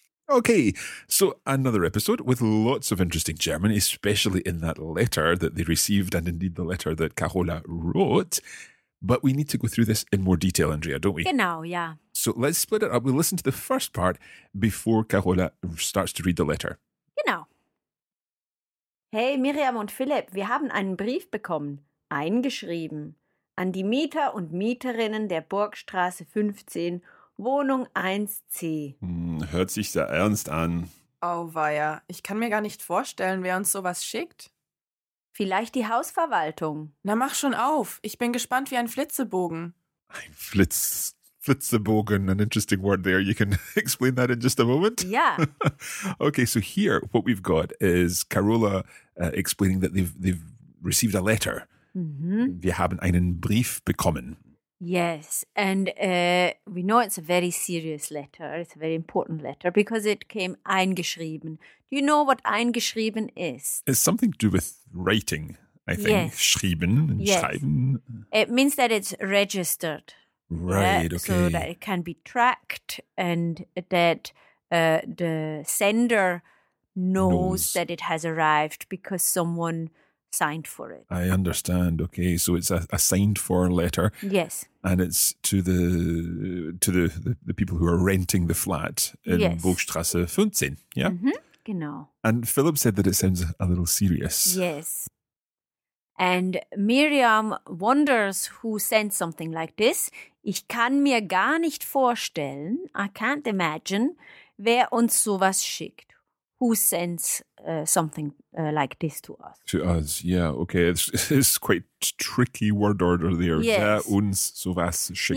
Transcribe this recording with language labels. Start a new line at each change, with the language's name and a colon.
English: Okay, so another episode with lots of interesting German, especially in that letter that they received and indeed the letter that Carola wrote. But we need to go through this in more detail, Andrea, don't we?
German: Genau, ja.
English: So let's split it up. We'll listen to the first part before Carola starts to read the letter.
German: Genau. Hey Miriam und Philipp, wir haben einen Brief bekommen, eingeschrieben, an die Mieter und Mieterinnen der Burgstraße 15, Wohnung 1C. Hört sich sehr ernst an. Auweia, ich kann mir gar nicht vorstellen, wer uns sowas schickt. Vielleicht die Hausverwaltung. Na mach schon auf, ich bin gespannt wie ein Flitzebogen. Ein Flitzebogen,
English: an interesting word there. You can explain that in just a moment. Yeah. Okay, so here what we've got is Carola explaining that they've received a letter. Mm-hmm.
German: Wir haben einen Brief bekommen.
English: Yes, and we know it's a very serious letter. It's a very important letter because it came eingeschrieben. Do you know what eingeschrieben is? It's something to do with writing, I think. Yes.
German: Schrieben,
English: yes.
German: Schreiben.
English: It means that it's registered. Right, okay. So that it can be tracked and that the sender knows that it has arrived because someone signed for it. I understand. Okay, so it's a signed for letter. Yes. And it's to the people who are renting the flat in yes. Burgstrasse 15. Yeah.
German: Mm-hmm. Genau.
English: And Philip said that it sounds a little serious. Yes. And Miriam wonders who sent something like this.
German: Ich kann mir gar nicht vorstellen,
English: I can't imagine,
German: wer uns sowas schickt.
English: Who sends something like this to us? To us, yeah, okay. It's quite tricky word order there. Yes.
German: Wer uns sowas schickt.